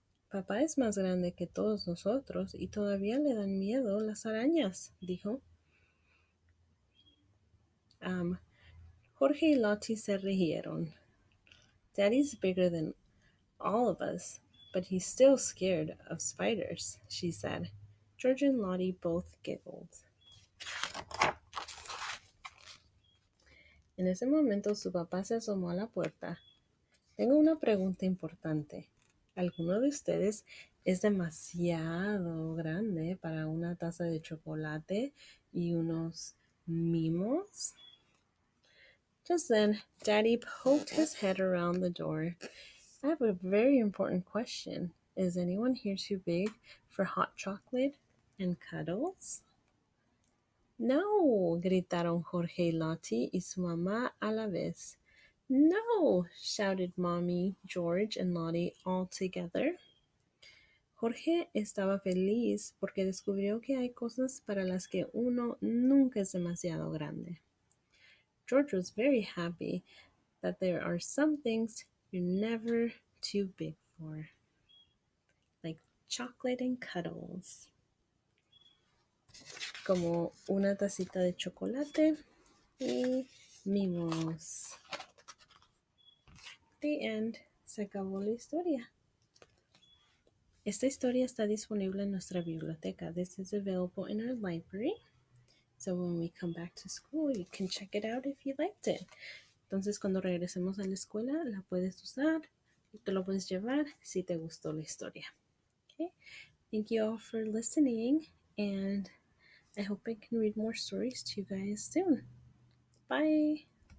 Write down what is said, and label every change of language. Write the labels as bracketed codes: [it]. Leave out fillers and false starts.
[es] Papá es más grande que todos nosotros y todavía le dan miedo las arañas, dijo. Jorge y Lottie se rieron. [en] Daddy's bigger than all of us, but he's still scared of spiders, she said. George and Lottie both giggled. [es] En ese momento, su papá se asomó a la puerta. Tengo una pregunta importante. ¿Alguno de ustedes es demasiado grande para una taza de chocolate y unos mimos? [en] Just then, Daddy poked his head around the door. I have a very important question. Is anyone here too big for hot chocolate and cuddles? [es] No, gritaron Jorge y Lottie y su mamá a la vez. [en] No, shouted Mommy, George, and Lottie all together. [es] Jorge estaba feliz porque descubrió que hay cosas para las que uno nunca es demasiado grande. [en] George was very happy that there are some things you're never too big for, like chocolate and cuddles. [es] Como una tacita de chocolate y mimos. [en] The end. [es] Se acabó la historia. Esta historia está disponible en nuestra biblioteca. [en] This is available in our library. So when we come back to school, you can check it out if you liked it. [es] Entonces, cuando regresemos a la escuela, la puedes usar y te lo puedes llevar si te gustó la historia. [en] Okay. Thank you all for listening, and I hope I can read more stories to you guys soon. Bye.